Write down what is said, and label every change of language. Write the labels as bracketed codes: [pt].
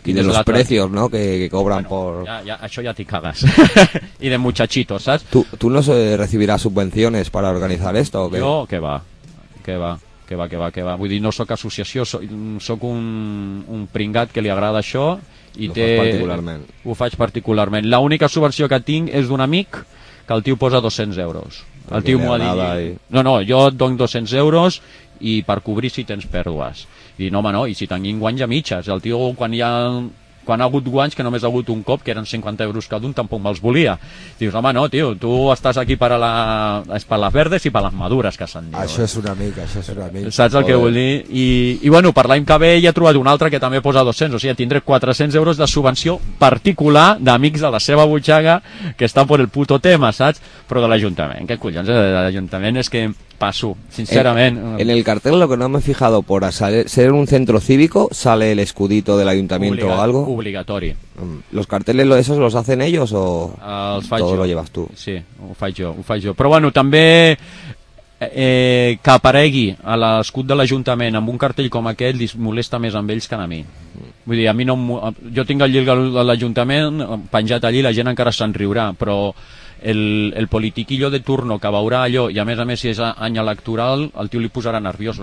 [ca] quins [es] de los precios, no, que cobran, bueno, por [ca] ya, això ja t'hi cagues. [es] I de muchachitos, [ca] saps? Tu no recibiràs subvencions per organitzar esto, o què? Jo, que va. Que va. Que va. Vull dir, no sóc associació, sóc un pringat que li agrada això i ho té particularment. Ho faig particularment. L'única subvenció que tinc és d'un amic que el tio posa 200 euros. Perquè el tio m'ho ha dit, i... No, jo et dono 200 euros i per cobrir si tens pèrdues. I dic, no, i si tinguin guanys a mitges. El tio, quan ha hagut guanys, que només ha hagut un cop, que eren 50 euros cada un, tampoc me'ls volia. Dius, home, no, tio, tu estàs aquí per les verdes i per les madures, que se'n diu. Això és un amic, això és un amic. Saps el que vull dir? I bueno, per l'any que ve ja he trobat un altre que també posa 200, o sigui, tindré 400 euros de subvenció particular d'amics de la seva butxaca que estan per el puto tema, saps? Però de l'Ajuntament, què collons, de l'Ajuntament és que... [es] Paso, sinceramente. En el cartel, lo que no me he fijado, por ser un centro cívico, ¿sale el escudito del ayuntamiento o algo? Obligatorio. ¿Los carteles esos los hacen ellos o todo lo llevas tú? [ca] Sí, ho faig jo. Però bueno, també que aparegui a l'escut de l'ajuntament amb un cartell com aquest li molesta més amb ells que a mi. Vull dir, a mi no... Jo tinc el llibre de l'ajuntament penjat allí, la gent encara se'n riurà, però... El politiquillo de turno que veurà allò, i a més si és any electoral, el tio li posarà nerviós.